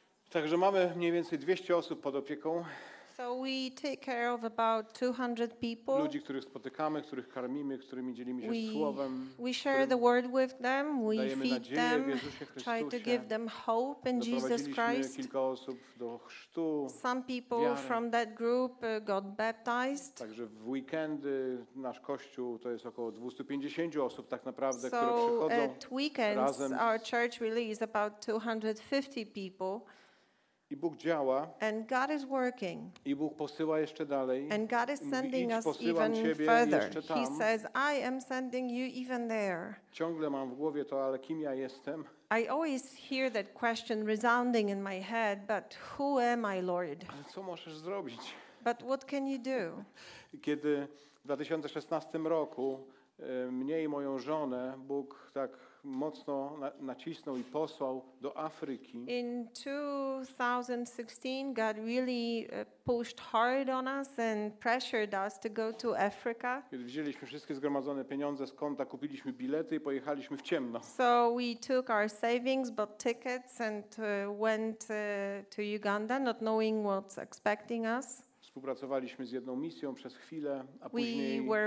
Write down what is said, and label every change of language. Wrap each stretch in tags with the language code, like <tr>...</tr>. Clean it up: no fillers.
<pl>Także mamy mniej więcej 200 osób pod opieką.</pl> <en>So we take care of about 200 people.</en> <pl>Ludzi, których spotykamy, których karmimy, którymi dzielimy się słowem.</pl> <en>We share the word with them. We feed them. Try to give them hope in Jesus Christ.</en> <pl>Kilka osób do chrztu.</pl> <en>Some people</en> <pl>wiary.</pl> <en>From that group got baptized.</en> <pl>Także w weekendy nasz kościół to jest około 250 osób tak naprawdę,</pl> <en>so</en> <pl>które przychodzą.</pl> <en>So at weekends our church really is about 250 people.</en> <pl>I Bóg działa.</pl> <en>And God is working.</en> <pl>I Bóg posyła jeszcze dalej.</pl> <en>And God is sending</en> <pl>mówi,</pl> <en>us even further.</en> <pl>Tam.</pl> <en>He says, I am sending you even there.</en> <pl>Ciągle mam w głowie to, ale kim ja jestem?</pl> <en>I always hear that question resounding in my head, but who am I, Lord?</en> <pl>Ale co możesz zrobić?</pl> <en>But what can you do?</en> <pl>Kiedy w 2016 roku mnie i moją żonę Bóg tak mocno nacisnął i posłał do Afryki.</pl> <en>In 2016 God really pushed hard on us and pressured us to go to Africa.</en> <pl>Kiedy wzięliśmy wszystkie zgromadzone pieniądze z konta, kupiliśmy bilety i pojechaliśmy w ciemno.</pl> <en>So we took our savings, bought tickets and went to Uganda not knowing what's expecting us.</en> <pl>Współpracowaliśmy z jedną misją przez chwilę, a później</pl>